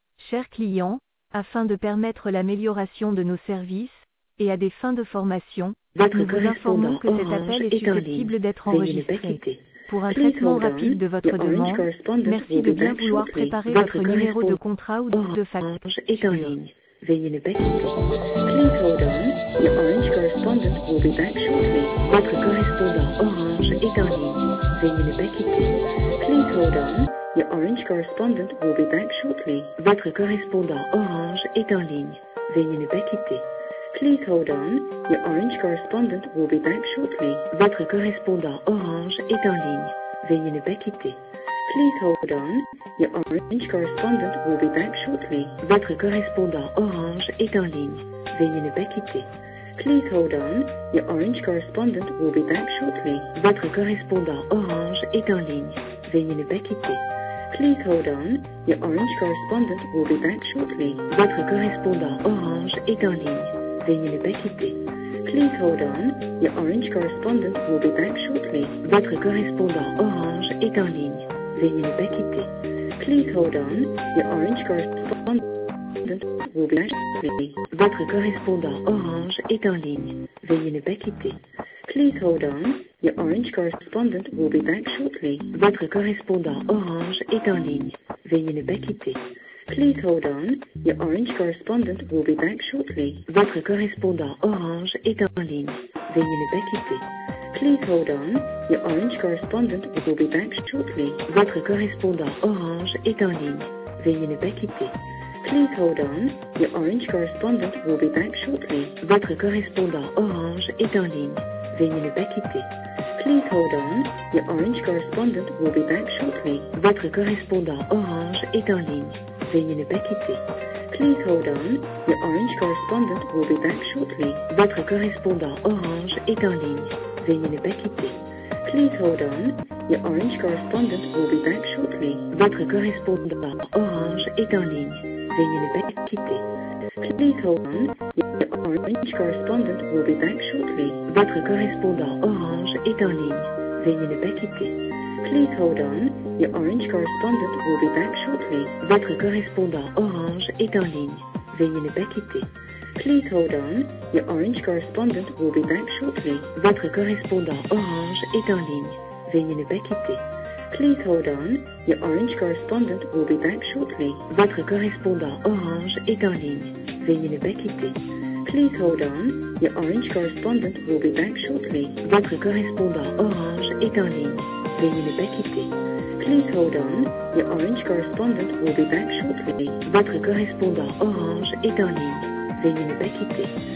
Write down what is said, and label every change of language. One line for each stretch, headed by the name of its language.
French: Chers clients, afin de permettre l'amélioration de nos services, et à des fins de formation, votre nous vous informons que cet appel est susceptible d'être enregistré. Pour un traitement rapide de votre demande, merci de bien vouloir préparer votre numéro de contrat ou de facture. Veuillez ne pas quitter.
English: Please hold on. Your Orange correspondent will be back shortly.
French: Votre correspondant Orange est en ligne. Veuillez ne pas quitter.
English: Please hold on. Your Orange correspondent will be back shortly.
French: Votre correspondant Orange est en ligne. Veuillez ne pas quitter.
English: Please hold on. Your Orange correspondent will be back shortly.
French: Votre correspondant Orange est en ligne. Veuillez ne pas quitter.
English: Please hold on. Your Orange correspondent will be back shortly.
French: Votre correspondant Orange est en ligne. Veuillez ne pas quitter.
English: Please hold on. Your Orange correspondent will be back shortly.
French: Votre correspondant Orange est en ligne. Veuillez ne pas quitter.
English: Please hold on. Your Orange correspondent will be back shortly.
French: Votre correspondant Orange est en ligne. Veuillez ne pas quitter.
English: Please hold on. Your Orange correspondent will be back shortly.
French: Votre correspondant Orange est en ligne. Veuillez ne pas quitter.
English: Please hold on. Your Orange correspondent will be back shortly.
French: Votre correspondant Orange est en ligne. Veuillez ne pas quitter.
English: Please hold on. Your Orange correspondent will be back shortly.
French: Votre correspondant Orange est en ligne. Veuillez ne pas quitter.
English: Please hold on. Your Orange correspondent will be back shortly.
French: Votre correspondant Orange est en ligne. Veuillez ne pas quitter.
English: Please hold on. Your Orange correspondent will be back shortly.
French: Votre correspondant Orange est en ligne. Veuillez ne pas quitter.
English: Please hold on. Your Orange correspondent will be back shortly.
French: Votre correspondant Orange est en ligne. Veuillez ne pas quitter.
English: Please hold on. Your Orange correspondent will be back shortly.
French: Votre correspondant Orange est en ligne. Veuillez ne pas quitter.
English: Please hold on. Your Orange correspondent will be back shortly.
French: Votre correspondant Orange est en ligne. Veuillez ne pas quitter.
English: Please hold on. Your Orange correspondent will be back shortly.
French: Votre correspondant Orange est en ligne. Veuillez ne pas quitter.
English: Please hold on. Your Orange correspondent will be back shortly.
French: Votre correspondant Orange est en ligne. Veuillez ne pas quitter.
English: Please hold on. Your Orange correspondent will be back shortly.
French: Votre correspondant Orange est en ligne. Veuillez ne pas quitter.
English: Please hold on. Your Orange correspondent will be back shortly.
French: Votre correspondant Orange est en ligne. Veuillez ne pas quitter.
English: Please hold on. Your Orange correspondent will be back shortly.
French: Votre correspondant Orange est en ligne. Veuillez ne pas quitter.
English: Please hold on. Your Orange correspondent will be back shortly.
French: Votre correspondant Orange est en ligne. Veuillez ne pas quitter.
English: Please hold on. Your Orange correspondent will be back shortly.
French: Votre correspondant Orange est en ligne. Veuillez ne pas quitter.